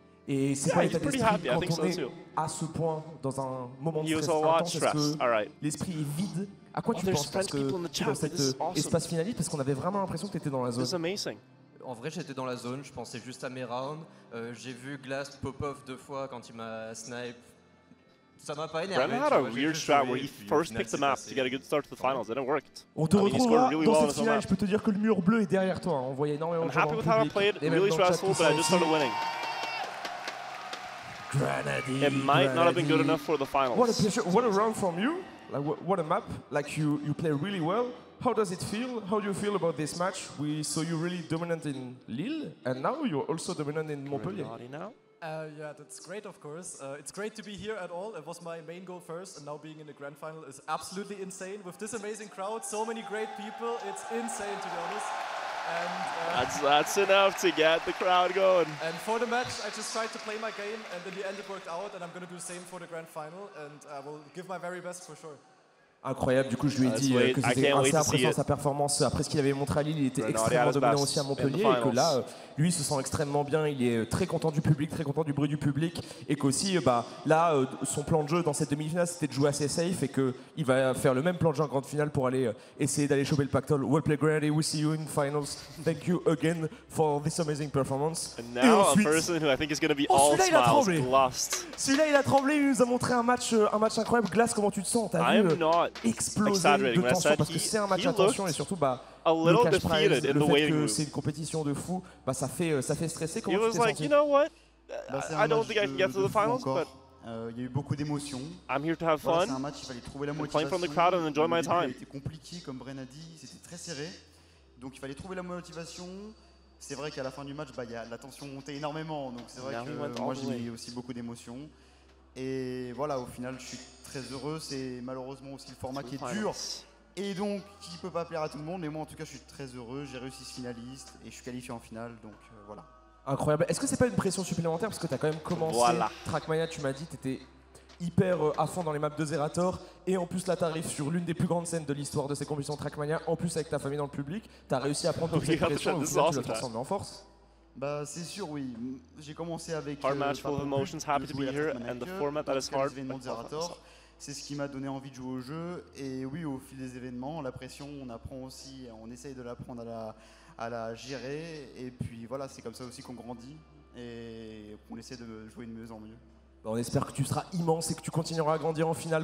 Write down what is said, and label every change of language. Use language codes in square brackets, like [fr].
[fr] Et c'est pas l'état d'esprit quand on est à ce point dans un moment de stress intense, parce que l'esprit est vide. À quoi tu penses parce que dans cet espace finaliste, parce qu'on avait vraiment l'impression que tu étais dans la zone. En vrai, j'étais dans la zone, je pensais juste à mes rounds. J'ai vu Glass pop-off deux fois quand il m'a snipe. Ça m'a pas énervé. [en] Brennan had a weird strat where he first picked the map to get a good start to the finals, and it worked. [fr] On te retrouve dans cette finale, je peux te dire que le mur bleu est derrière toi. On voyait énormément de gens en public. [en] I'm happy with how I played, really stressful, but I just started winning. Grenadine, it might not have been good enough for the finals. What a pleasure. What a round from you. Like, what a map. Like, you play really well. How does it feel? How do you feel about this match? We saw you really dominant in Lille, and now you're also dominant in Montpellier. Yeah, that's great, of course. It's great to be here at all. It was my main goal first, and now being in the grand final is absolutely insane. With this amazing crowd, so many great people, it's insane, to be honest. That's enough to get the crowd going. And for the match, I just tried to play my game, and in the end it worked out, and I'm going to do the same for the grand final, and I will give my very best for sure. [fr] Incroyable, du coup je lui ai dit que c'était assez impressionnant sa performance après ce qu'il avait montré à Lille, il était extrêmement dominant aussi à Montpellier et que là, lui se sent extrêmement bien, il est très content du public, très content du bruit du public et qu'aussi, son plan de jeu dans cette demi-finale c'était de jouer assez safe et qu'il va faire le même plan de jeu en grande finale pour aller essayer d'aller choper le pactole. [en] Well played, Grady, we'll see you in finals, thank you again for this amazing performance. And now a person who I think is going to be all smiles, Glast. [fr] Celui-là il a tremblé, il nous a montré un match incroyable. Glast, comment tu te sens? T'as vu exploser de tension parce que c'est un match à tension et surtout le cash prize, le fait que c'est une compétition de fou, ça fait stresser. Comment tu t'es senti? [en] You know what? I don't think I can get to the finals, but [fr] il y a eu beaucoup d'émotions. [en] I'm here to have fun. [fr] C'est un match, il fallait trouver la motivation. [en] Playing from the crowd and enjoy my time. [fr] C'était compliqué, comme Bren a dit, c'était très serré, donc il fallait trouver la motivation. C'est vrai qu'à la fin du match, la tension montait énormément, donc c'est vrai que moi j'ai eu aussi beaucoup d'émotions. Et voilà, au final, je suis très heureux. C'est malheureusement aussi le format qui est dur et donc qui peut pas plaire à tout le monde. Mais moi, en tout cas, je suis très heureux. J'ai réussi ce finaliste et je suis qualifié en finale. Donc voilà. Incroyable. Est-ce que c'est pas une pression supplémentaire parce que t'as quand même commencé Trackmania, tu m'as dit, t'étais hyper à fond dans les maps de Zerator et en plus là t'arrives sur l'une des plus grandes scènes de l'histoire de ces compétitions Trackmania. En plus avec ta famille dans le public, t'as réussi à prendre toute cette pression et tu le transformes en force. C'est sûr, oui. J'ai commencé avec [en] hard match full of emotions, happy to be here, and the format that is hard. [fr] C'est ce qui m'a donné envie de jouer au jeu. Et oui, au fil des événements, la pression, on apprend aussi, on essaye de l'apprendre à la gérer. Et puis voilà, c'est comme ça aussi qu'on grandit et qu'on essaie de jouer de mieux en mieux. Bah, on espère que tu seras immense et que tu continueras à grandir en finale.